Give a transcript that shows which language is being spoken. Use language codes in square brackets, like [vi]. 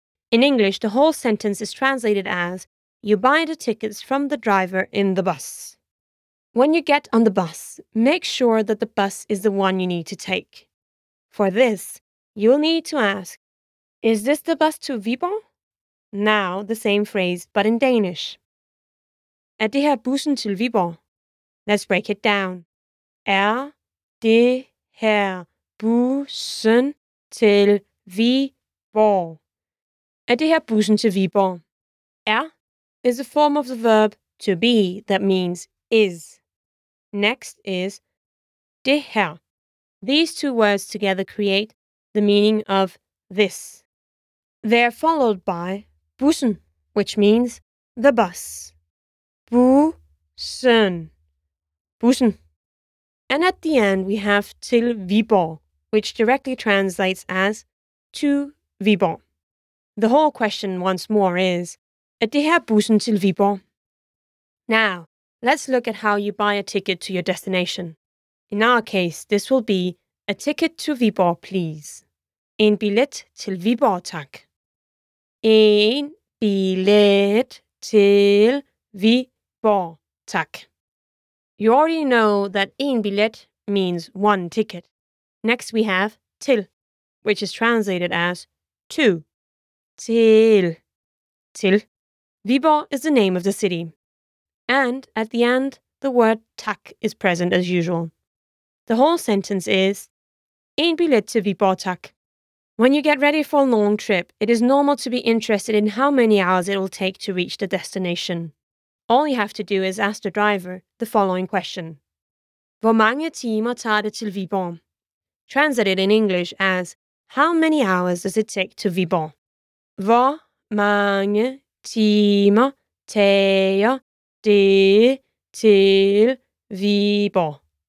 [en] In English, the whole sentence is translated as you buy the tickets from the driver in the bus. When you get on the bus, make sure that the bus is the one you need to take. For this, you'll need to ask, is this the bus to Viborg? Now, the same phrase, but in Danish. [da] Er det her bussen til Viborg? [en] Let's break it down. [da] Er det her bussen til Viborg? Er det her bussen til Viborg? [en] Er is a form of the verb to be that means is. Next is det her. These two words together create the meaning of this. They are followed by bussen, which means the bus. Bussen. Bussen. And at the end we have til Viborg, which directly translates as to Viborg. The whole question once more is, [da] er det her bussen til Viborg? [en] Now, Let's look at how you buy a ticket to your destination. In our case, this will be a ticket to Viborg, please. [da] En billet til Viborg, tak. En billet til Viborg, tak. [en] You already know that en billet means one ticket. Next we have til, which is translated as to. Til. Til. Viborg is the name of the city. And at the end, the word tak is present as usual. The whole sentence is [da] en billet til Viborg, tak. [en] When you get ready for a long trip, it is normal to be interested in how many hours it will take to reach the destination. All you have to do is ask the driver the following question. [da] Hvor mange timer tager det til Viborg? [en] Translated in English as, how many hours does it take to Viborg? [da] Hvor mange timer tager det til Viborg?